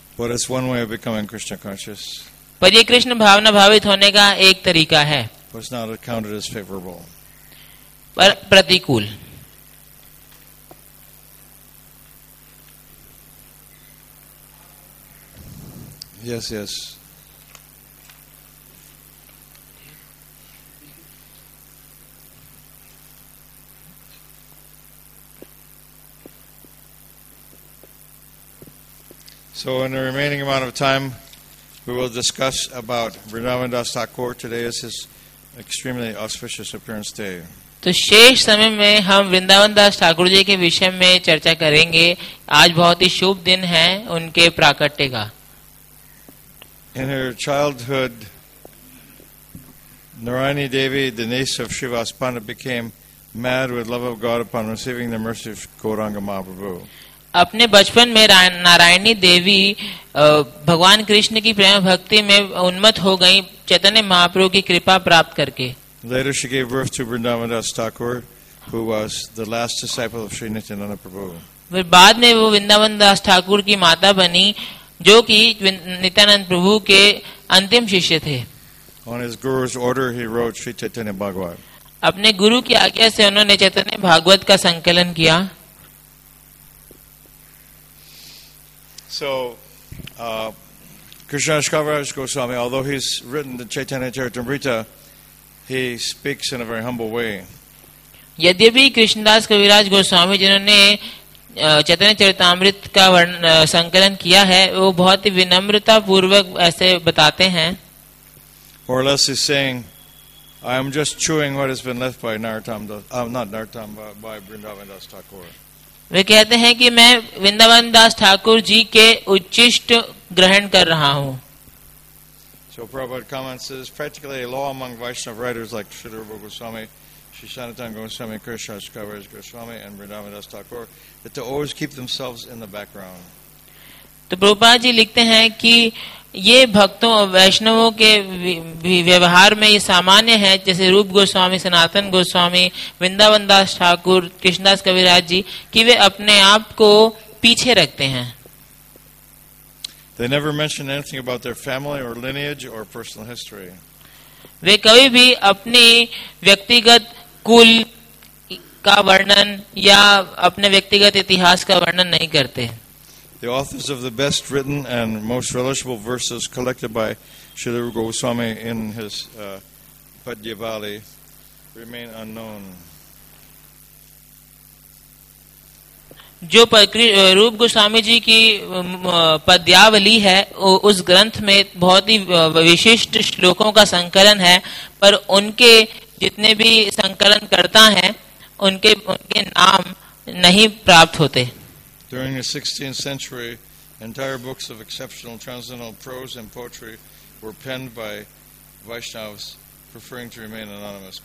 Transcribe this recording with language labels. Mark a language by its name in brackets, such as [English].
[English] But it's one way of becoming Krishna conscious. [Hindi] पर ये कृष्ण भावना भावित होने का एक तरीका है. [English] Was not accounted as favorable. [Hindi] पर प्रतिकूल. [English] Yes, yes. So in the remaining amount of time, we will discuss about Vrindavan Das Thakur. Today is his extremely auspicious appearance day. [Hindi] तो शेष समय में हम वृंदावन दास ठाकुर जी के विषय में चर्चा करेंगे. आज बहुत ही शुभ दिन है उनके प्राकट्य का. [English] In her childhood, Narayani Devi, the niece of Shrivas Pandit, became mad with love of God upon receiving the mercy of Gauranga Mahaprabhu. [Hindi] अपने बचपन में नारायणी देवी भगवान कृष्ण की प्रेम भक्ति में उन्मत्त हो गई चैतन्य महाप्रभु की कृपा प्राप्त करके. [English] Later she gave birth to Vrindavan Das Thakur, who was the last disciple of Sri Nityananda Prabhu. [Hindi] फिर बाद में वो वृंदावन दास ठाकुर की माता बनी, जो कि नित्यानंद प्रभु के अंतिम शिष्य थे. [English] On his guru's order, he wrote Sri Chaitanya Bhagavat. [Hindi] अपने गुरु की आज्ञा से उन्होंने चैतन्य भागवत का संकलन किया. [English] So, Krishna Shkavaraj Goswami, although he's written the Chaitanya Charitamrita, he speaks in a very humble way. [Hindi] यद्यपि कृष्णदास कविराज गोस्वामी जिन्होंने चैतन्य चरितामृत का संकलन किया है, वो बहुत ही विनम्रता पूर्वक ऐसे बताते हैं. [English] Or less is saying, I am just chewing what has been left by Narottam, not Narottam, by Vrindavan Das Thakur. [Hindi] वे कहते हैं कि मैं वृंदावन दास ठाकुर जी के उच्चिष्ट ग्रहण कर रहा हूँ. [English] So Prabhupada comments is practically a law among Vaishnava writers like Sri Rupa Goswami, Sri Sanatana Goswami, Krishna Shkavaraj Goswami and Vrindavan Das Thakur, that they always keep themselves in the background. [Hindi] तो प्रभुपाद जी लिखते हैं कि ये भक्तों और वैष्णवों के व्यवहार में ये सामान्य है, जैसे रूप गोस्वामी, सनातन गोस्वामी, वृंदावन दास ठाकुर, कृष्णदास कविराज जी, कि वे अपने आप को पीछे रखते हैं. [English] They never mention anything about their family or lineage or personal history. [Hindi] वे कभी भी अपनी व्यक्तिगत कुल का वर्णन या अपने व्यक्तिगत इतिहास का वर्णन नहीं करते। [English] The authors of the best written and most relishable verses collected by Srila Rupa Goswami in his Padyavali remain unknown. [Hindi] जो रूप गोस्वामी जी की पद्यावली है उस ग्रंथ में बहुत ही विशिष्ट श्लोकों का संकलन है पर उनके जितने भी संकलनकर्ता हैं उनके उनके नाम नहीं प्राप्त होते। [English] During the 16th century, entire books of exceptional transcendental prose and poetry were penned by Vaishnavas, preferring to remain anonymous.